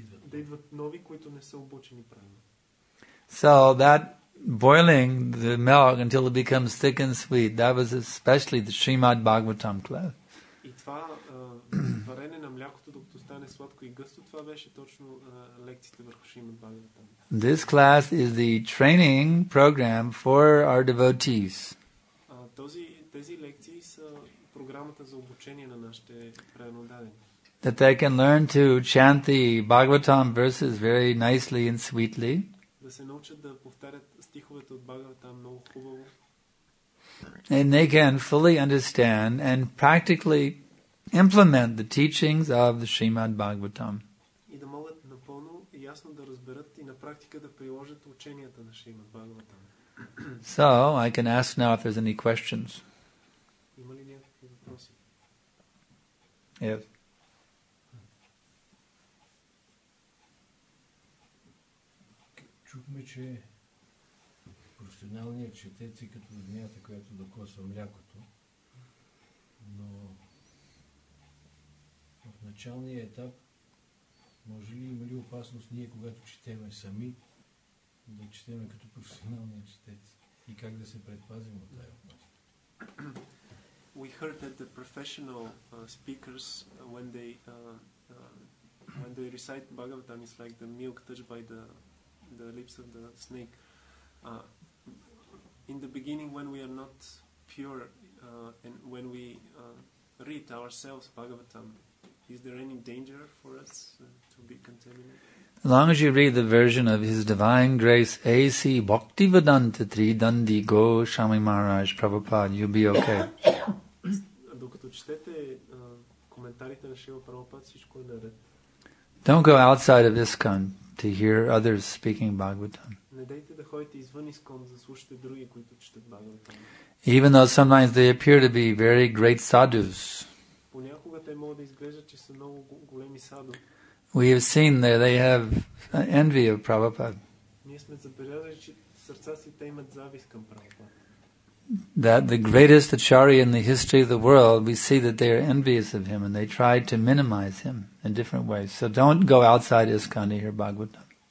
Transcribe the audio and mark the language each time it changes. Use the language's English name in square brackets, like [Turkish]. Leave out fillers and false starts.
[Bulgarian] Да идват нови, които не са обучени правилно. [English] So that boiling the milk until it becomes thick and sweet, that was especially the Srimad Bhagavatam class. [Bulgarian] И това варене на млякото, докато стане сладко и гъсто, това беше точно лекцията върху Шримад Бхагаватам. [English] This class is the training program for our devotees. [Bulgarian] Тези лекции са програмата за обучение на нашите преноданите. [English] That they can learn to chant the Bhagavatam verses very nicely and sweetly. [Bulgarian] Да се научат да повтарят стиховете от Бхагаватам много хубаво. [English] And they can fully understand and practically implement the teachings of the Srimad Bhagavatam. [Bulgarian] И да могат напълно и ясно да разберат и на практика да приложат ученията на Шримад Бхагаватам. [English] So, I can ask now if there's any questions. [Bulgarian] Има ли някакви въпроси? [English] Yes. [Bulgarian] Чухме, че професионалният четец е като змията, която докосва млякото, но в началния етап може ли има ли опасност ние, когато четеме сами, да четеме като професионалния четец и как да се предпазим от тази опасност? [English] We heard that the professional speakers, when they recite Bhagavatam, it's like the milk touched by the lips of the snake. In the beginning, when we are not pure, and when we read ourselves Bhagavatam, is there any danger for us to be contaminated? As long as you read the version of His Divine Grace, A.C. Bhaktivedanta Tridandi Go Swami Maharaj Prabhupada, you'll be okay. [Bulgarian] Докато четете коментарите на Шрила Прабхупада, всичко е наред. [English] Don't go outside of ISKCON to hear others speaking Bhagavatam. [Bulgarian] Не дейте да ходите извън ИСКОН, за да слушате други, които четат Бхагаватам. [English] Even though sometimes they appear to be very great sadhus. [Bulgarian] Понякога те могат да изглеждат, че са много големи саду. [English] We have seen that they have envy of Prabhupada. [Bulgarian] Ние сме забелязали, че сърца си те имат завист към Прабхупада. [English] that the greatest acharya in the history of the world, we see that they are envious of him and they try to minimize him in different ways. So don't go outside ISKCON to hear Bhagavatam.